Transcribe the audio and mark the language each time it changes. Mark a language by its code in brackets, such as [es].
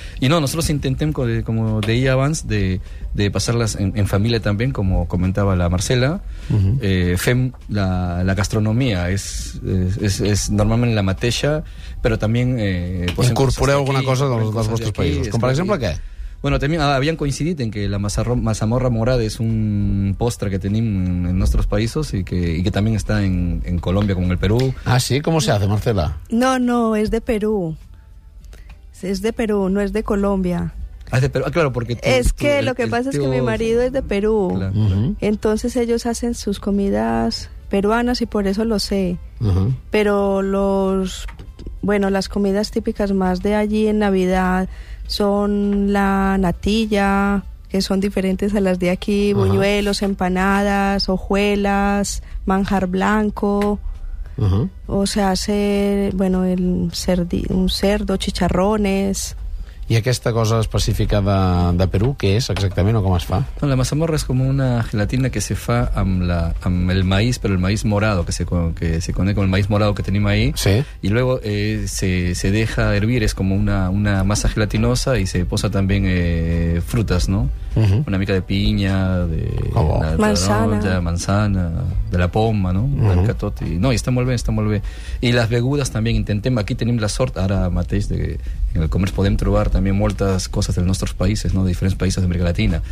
[ca] I no, nosaltres intentem, com deia abans, de passar-les en família també, com comentava la Marcela. Uh-huh. Fem la gastronomia, és normalment la mateixa, però també incorporeu alguna cosa dels vostres països, com per exemple què? [es] Bueno, también habían coincidido en que la mazamorra morada es un postre que tenemos en nuestros países y que también está en Colombia como en el Perú. Ah, sí, ¿cómo se hace, Marcela? No, es de Perú. Es de Perú, no es de Colombia. Ah, de Perú. Ah, claro, porque es que mi marido es de Perú. Claro. Uh-huh. Entonces ellos hacen sus comidas peruanas y por eso lo sé. Uh-huh. Pero las comidas típicas más de allí en Navidad son la natilla, que son diferentes a las de aquí, buñuelos, uh-huh, empanadas, hojuelas, manjar blanco. Uh-huh. O se hace, bueno, un cerdo, chicharrones. [ca] I aquesta cosa específica de Perú, què és exactament o com es fa? No, la mazamorra és com una gelatina [es] que se fa amb, amb el maíz, però el maíz morado, que se conecta con el maíz morado que tenim [ca] ahí. Sí. [es] Y luego se deja hervir, es como una masa gelatinosa y se posa también frutas, ¿no? Uh-huh. [ca] Una mica de piña, de [es] manzana, [ca] de la poma, [es] ¿no? Uh-huh. Del catote. No, y está muy bien, está muy bien. Y las bebidas también, intentemos, aquí tenemos la suerte, [ca] ahora mateix, [es] de que en el comercio [ca] podemos trobar [es] también muchas cosas de nuestros países, ¿no? De diferentes países de América Latina.